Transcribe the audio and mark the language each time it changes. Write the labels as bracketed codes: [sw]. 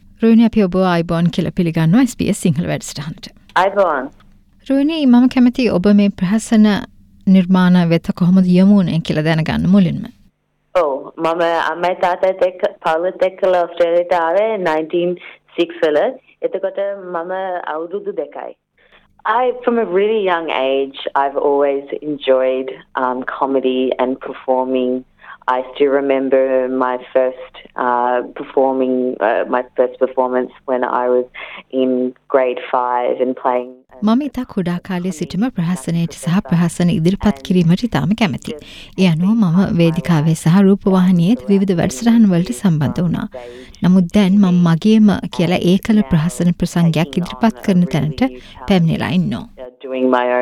[si] රුවනි, අපි ඔබ අයිබෝන් කියලා පිළිගන්නවා SBS සිංහල වැඩසටහනට. රුවනි, මම කැමති ඔබ මේ ප්‍රහසන නිර්මාණ වෙත කොහොමද යමු වුණේ කියලා දැනගන්න මුලින්ම. ඔව්, මම අම්මයි තාත්තයි එක්ක පාලිත් එක්කලා ඔස්ට්‍රේලියාවට ආවේ 1960 වල. එතකොට මම අවුරුදු 2යි. [en] I from a really young age I've always enjoyed comedy and performing. I still remember my first performance when I was in grade 5 and playing. [si] මම ඉතා කුඩා කාලයේ සිටම ප්‍රහසනයට සහ ප්‍රහසන ඉදිරිපත් කිරීමට ඉතාම කැමතියි. ඒ අනුව මම වේදිකාවේ සහ රූපවාහිනියේ විවිධ වැඩසටහන් වලට සම්බන්ධ වුණා. නමුත් දැන් මම මගේම කියලා ඒකල ප්‍රහසන ප්‍රසංගයක් ඉදිරිපත් කරන තැනට පැමිණලා